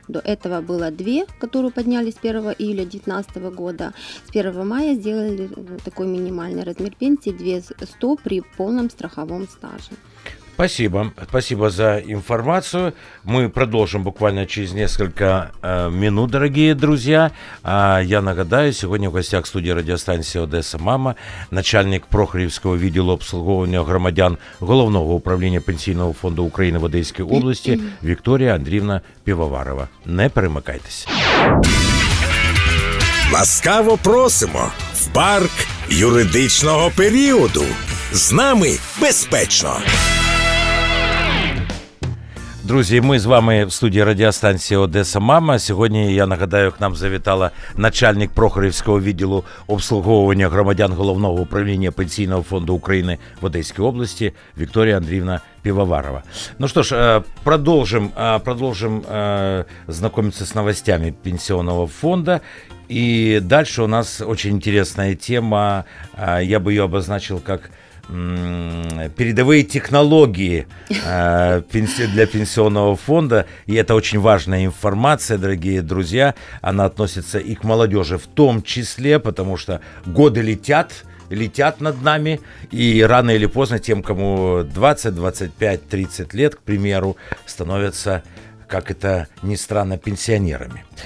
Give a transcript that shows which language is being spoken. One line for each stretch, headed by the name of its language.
Russian: До этого было 2, которые поднялись с 1 июля 2019 года. С 1 мая сделали такой минимальный размер пенсии 2100 при полном страховом стаже. Спасибо. Спасибо за информацию. Мы продолжим буквально через несколько минут, дорогие друзья.
Ukrainian: А я нагадаю,
Russian: сегодня в гостях студии радиостанции «Одесса Мама»
Ukrainian: начальник Прохорівського відділу обслуговування громадян Головного управління Пенсійного фонду України в Одеській області Вікторія Андріївна Півоварова. Не перемикайтеся. Ласкаво просимо в парк юридичного періоду. З нами безпечно. Друзі, ми з вами в студії радіостанції «Одеса Мама». Сьогодні, я нагадаю, к нам завітала начальник Прохорівського відділу обслуговування громадян Головного управління Пенсійного фонду України в Одеській області Вікторія Андріївна Півоварова. Ну що ж, продовжим знакомитися з новостями Пенсійного фонду. І далі у нас дуже цікава тема, я би її обозначив як
Russian: передовые технологии для пенсионного фонда. И это очень важная информация, дорогие друзья. Она относится и к молодежи в том числе, потому что годы летят над нами, и рано или поздно тем, кому 20, 25, 30 лет, к примеру, становятся, как это ни странно, пенсионерами.